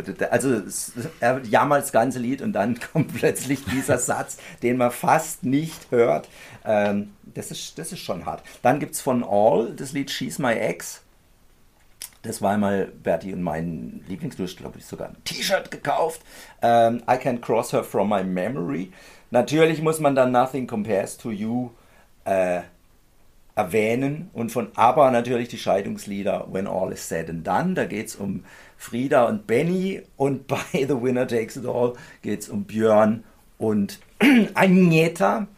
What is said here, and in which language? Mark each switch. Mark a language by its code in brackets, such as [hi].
[de] Also er jammert das ganze Lied und dann kommt plötzlich dieser Satz, den man fast nicht hört. Das ist schon hart. Dann gibt es von All das Lied She's My Ex. Das war einmal Bertie und mein Lieblingslied, glaube ich, sogar ein T-Shirt gekauft. [en] I Can't Cross Her From My Memory. [de] Natürlich muss man dann Nothing Compares to You erwähnen. Und von ABBA natürlich die Scheidungslieder When All Is Said and Done. Da geht es um Frieda und Benny. Und bei The Winner Takes It All geht es um Björn und Agnetha.